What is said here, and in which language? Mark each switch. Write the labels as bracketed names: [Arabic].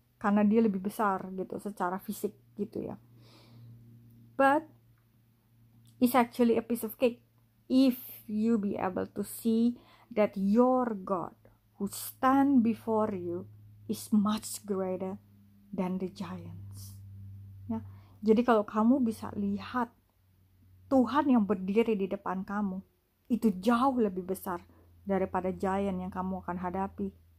[Indonesian] Karena dia lebih besar gitu secara fisik gitu ya. [English] But it's actually a piece of cake if you be able to see that your God who stand before you is much greater than the giants. Ya. [Indonesian] Jadi kalau kamu bisa lihat Tuhan yang berdiri di depan kamu itu jauh lebih besar daripada giant yang kamu akan hadapi.